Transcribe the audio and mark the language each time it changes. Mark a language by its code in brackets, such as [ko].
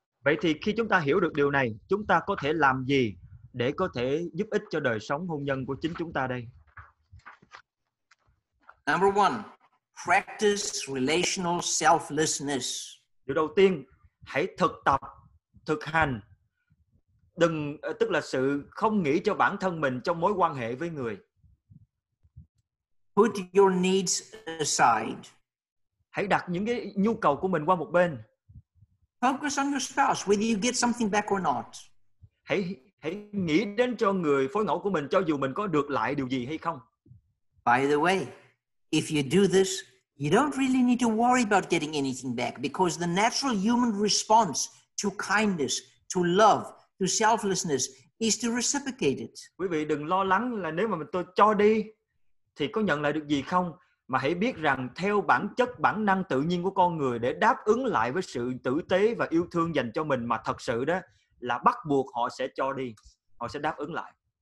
[vi] Vậy thì khi chúng ta hiểu được điều này, chúng ta có thể làm gì để có thể giúp ích cho đời sống hôn nhân của chính chúng ta đây? [en] Number one, practice relational selflessness. [vi] Điều đầu tiên, hãy thực tập, thực hành, đừng tức là sự không nghĩ cho bản thân mình trong mối quan hệ với người. [en] Put your needs aside. [vi] Hãy đặt những cái nhu cầu của mình qua một bên. [en] Focus on your spouse, whether you get something back or not. [vi] Hãy nghĩ đến cho người phối ngẫu của mình, cho dù mình có được lại điều gì hay không. [en] By the way, if you do this, you don't really need to worry about getting anything back, because the natural human response to kindness, to love, to selflessness is to reciprocate it. [vi] Quý vị đừng lo lắng là nếu mà tôi cho đi thì có nhận lại được gì không, mà hãy biết rằng theo bản chất, bản năng tự nhiên của con người để đáp ứng lại với sự tử tế và yêu thương dành cho mình mà thật sự đó là bắt buộc họ sẽ cho đi, họ sẽ đáp ứng lại.